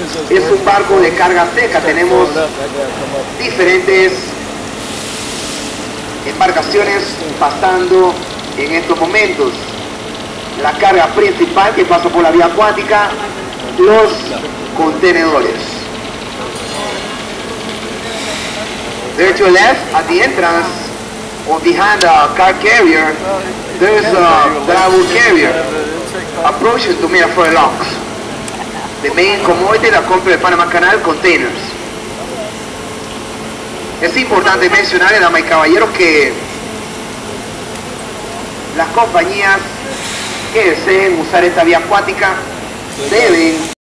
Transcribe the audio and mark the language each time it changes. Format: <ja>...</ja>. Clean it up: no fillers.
<es>Es un barco de carga seca, tenemos diferentes embarcaciones pasando en estos momentos. La carga principal que pasa por la vía acuática, los contenedores.</es> <en>There to the left, at the entrance, or behind a car carrier, there is a double carrier approaching to Miraflores Locks. The main commodity that comes to the Panama Canal, containers.</en> <es>Es importante mencionar, damas y caballeros, que las compañías que deseen usar esta vía acuática deben</es>